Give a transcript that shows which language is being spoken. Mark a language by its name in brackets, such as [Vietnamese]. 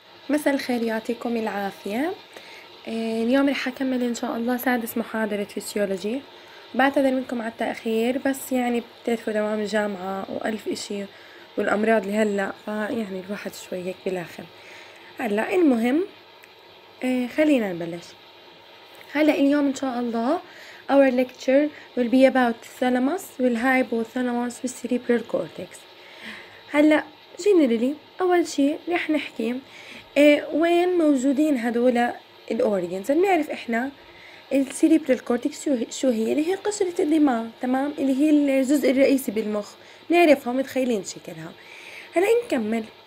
[Arabic] مساء الخير، يعطيكم العافية. اليوم رح أكمل إن شاء الله سادس محاضرة فيسيولوجي. بعتذر منكم على التأخير، بس يعني بتعرفوا دوام الجامعة وألف إشي والأمراض اللي هلأ، فيعني الواحد شوي هيك بالآخر. هلأ المهم خلينا نبلش. هلأ اليوم إن شاء الله [English] our lecture will be about thalamus والhypothalamus والcerebral cortex. [Arabic] هلأ generally أول شيء رح نحكي وين موجودين هدول الأورجنز. نعرف إحنا السيريبرال كورتكس شو هي، اللي هي قشرة الدماغ، تمام، اللي هي الجزء الرئيسي بالمخ، نعرفها متخيلين شكلها. هلأ نكمل.